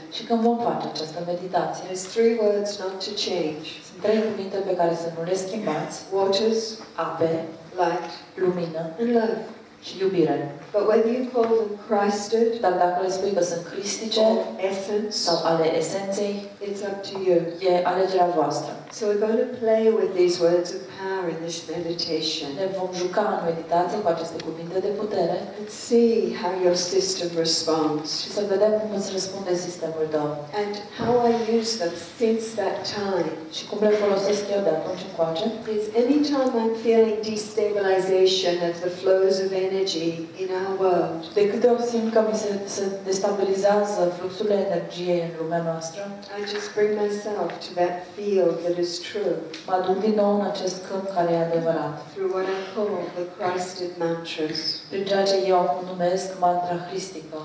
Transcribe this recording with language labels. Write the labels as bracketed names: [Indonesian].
[Romanian] și când vom face această meditație, [English] there's three words not to change. [Romanian] Sunt trei cuvinte pe care să nu le schimbați. [English] Waters, [Romanian] ape, [English] light, [Romanian] lumină, [English] and love. [Romanian] Și iubire. [English] But when you call them Christed, [Romanian] dar dacă le spui că sunt Christice, [English] essence, [Romanian] sau ale esenței, [English] it's up to you. [Romanian] E alegerea voastră. [English] So we're going to play with these words of power in this meditation. [Romanian] Ne vom juca în meditație cu aceste cuvinte de putere. [English] And see how your system responds. [Romanian] Și să vedem cum îți răspunde sistemul tău. [English] And how I use them since that time. [Romanian] Și cum le folosesc eu de atunci încoace. [English] It's any time I'm feeling destabilization of the flows of energy in our world. [Romanian] De câte ori simt că mi se destabilizează fluxul energiei în lumea noastră. [English] I just bring myself to that field. It is true. [Romanian] Mă duc din nou în acest câmp care e adevărat. [English] Through what I call the Christed mantras. [Romanian] Prin ceea ce eu acum numesc mantra Hristică.